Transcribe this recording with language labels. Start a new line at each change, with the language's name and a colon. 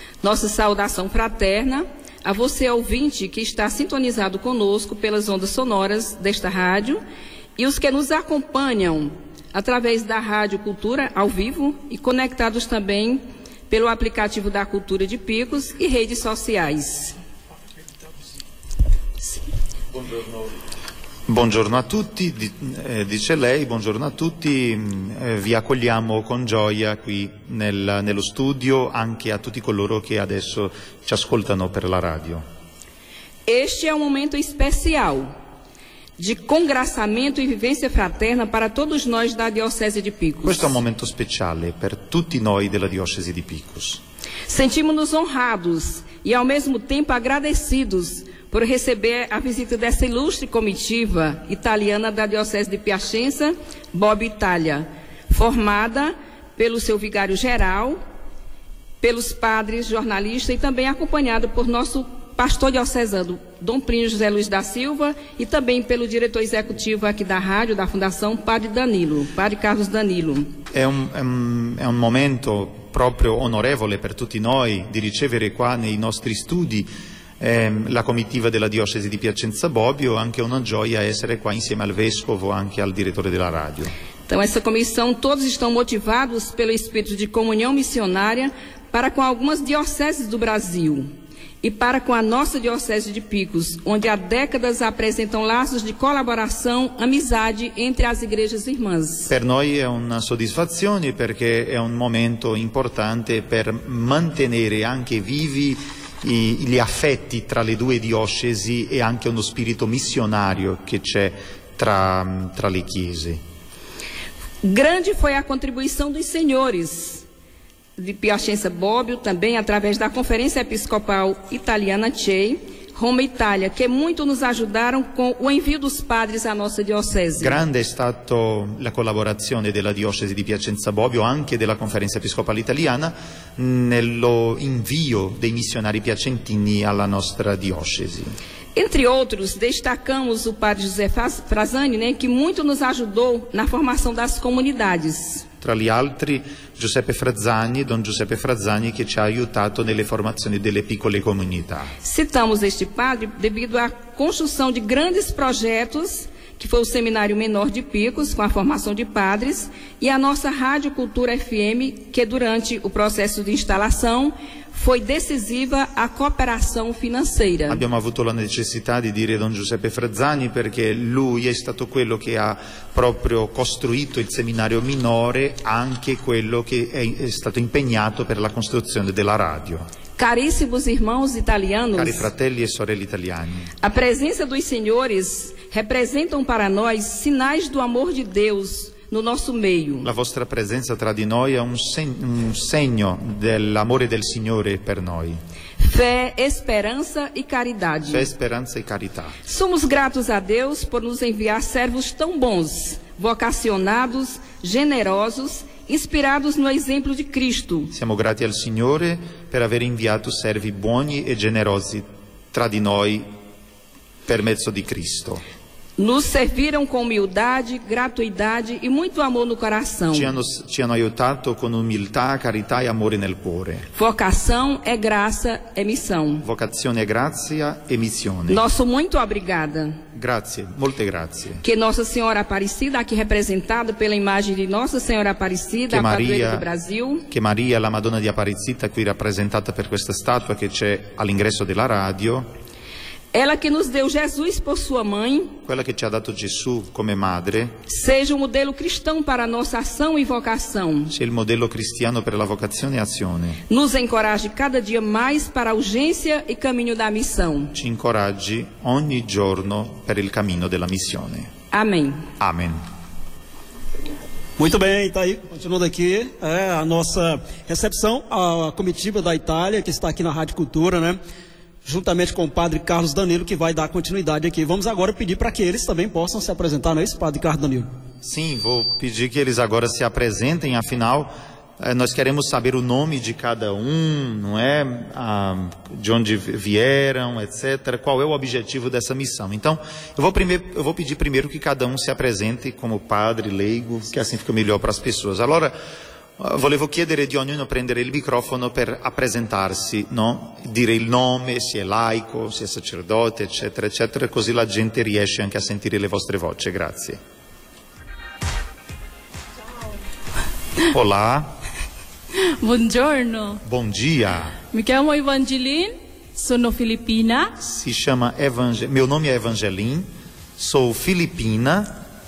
Portuguese: Nossa saudação fraterna a você, ouvinte, que está sintonizado conosco pelas ondas sonoras desta rádio, e os que nos acompanham através da Rádio Cultura ao vivo e conectados também pelo aplicativo da Cultura de Picos e redes sociais.
Italian: Buongiorno a tutti, dice lei, buongiorno a tutti, vi accogliamo con gioia qui nello studio, anche a tutti coloro che adesso ci ascoltano per la radio.
Portuguese: Este é um momento especial de congraçamento e vivência fraterna para todos nós da Diocese de Picos.
Italian: Questo è un momento speciale per tutti noi della Diocese di Picos.
Portuguese: Sentimo-nos honrados e ao mesmo tempo agradecidos por receber a visita dessa ilustre comitiva italiana da Diocese de Piacenza, Bobbio Italia, formada pelo seu vigário-geral, pelos padres jornalistas e também acompanhada por nosso pastor diocesano, Dom Plínio José Luiz da Silva, e também pelo diretor executivo aqui da rádio, da Fundação, Padre Danilo, Padre Carlos Danilo. É um
Italian: momento proprio onorevole per tutti noi di ricevere qua nei nostri studi la comitiva della diocesi di Piacenza Bobbio, anche una gioia essere qua insieme al vescovo, anche al direttore della radio.
Portuguese: Então, essa comissão, todos estão motivados pelo espírito de comunhão missionária para com algumas dioceses do Brasil e para com a nossa diocese de Picos, onde há décadas apresentam laços de colaboração, amizade entre as igrejas irmãs.
Italian: Per noi è una soddisfazione perché è un momento importante per mantenere anche vivi gli affetti tra le due diocesi e anche uno spirito missionario che c'è tra le chiese.
Portuguese: Grande foi a contribuição dos senhores de Piacenza Bobbio, também através da Conferência Episcopal Italiana CEI, Roma Itália, que muito nos ajudaram com o envio dos padres à nossa diocese.
Italian: Grande è stata la collaborazione della diocesi di Piacenza Bobbio, anche della Conferenza Episcopale Italiana, nello invio dei missionari piacentini alla nostra diocesi.
Portuguese: Entre outros, destacamos o padre José Frasani, né, que muito nos ajudou na formação das comunidades.
Italian: Tra gli altri, Giuseppe Frazzani, Don Giuseppe Frazzani, che ci ha aiutato nelle formazioni delle piccole comunità.
Portuguese: Citamos este padre devido à construção de grandes projetos, que foi o Seminário Menor de Picos, com a formação de padres, e a nossa Rádio Cultura FM, que durante o processo de instalação foi decisiva a cooperação financeira.
Italian: Abbiamo avuto la necessità di dire Don Giuseppe Frazzani perché lui è stato quello che ha proprio costruito il seminario minore, anche quello che è stato impegnato per la costruzione della radio.
Portuguese: Carissimos irmãos italianos,
Italian: cari fratelli e sorelle italiani,
Portuguese: a presença dos senhores representam para nós sinais do amor de Deus no nosso meio.
Italian: La vostra presenza tra di noi è un segno dell'amore del Signore per noi.
Portuguese: Fé, esperança e caridade. Fé, esperança e carità. Somos gratos a Deus por nos enviar servos tão bons, vocacionados, generosos, inspirados no exemplo de Cristo.
Italian: Siamo grati al Signore per aver inviato servi buoni e generosi tra di noi per mezzo di Cristo.
Portuguese: Nos serviram com humildade, gratuidade e muito amor no coração.
Italian: Ci hanno aiutato con umiltà, carità e amore nel cuore.
Portuguese: Vocação é graça, é missão.
Italian: Vocazione è grazia e missione.
Portuguese: Nosso muito obrigada.
Italian: Grazie, molte grazie.
Portuguese: Que Nossa Senhora Aparecida, aqui representada pela imagem de Nossa Senhora Aparecida, Maria, do Brasil.
Italian: Que Maria, la Madonna di Aparecida, qui rappresentata per questa statua che c'è all'ingresso della radio.
Portuguese: Ela que nos deu Jesus por sua mãe.
Italian: Quella che ci ha dato Gesù come madre.
Portuguese: Seja um modelo cristão para a nossa ação e vocação.
Italian: Sia il modello cristiano per la vocazione e azione.
Portuguese: Nos encoraje cada dia mais para a urgência e caminho da missão.
Italian: Ci incoraggi ogni giorno per il cammino della missione.
Portuguese: Amém. Amém. Muito bem, está aí, continuando aqui, a nossa recepção, a comitiva da Itália, que está aqui na Rádio Cultura, né? Juntamente com o padre Carlos Danilo, que vai dar continuidade aqui. Vamos agora pedir para que eles também possam se apresentar, não é isso, padre Carlos Danilo? Sim, vou pedir que eles agora se apresentem, afinal, nós queremos saber o nome de cada um, não é? De onde vieram, etc. Qual é o objetivo dessa missão? Então, eu vou pedir primeiro que cada um se apresente como padre leigo, que assim fica melhor para as pessoas.
Italian: Allora, volevo chiedere di ognuno prendere il microfono per presentarsi, no? Dire il nome, se è laico, se è sacerdote, eccetera, eccetera, così la gente riesce anche a sentire le vostre voci. Grazie. Ciao.
Portuguese: Olá.
Italian: Buongiorno.
Portuguese: Bom dia.
Italian: Mi chiamo Evangeline, sono filippina. Si chiama Evangeline.
Portuguese: Meu nome é Evangeline, sou filippina.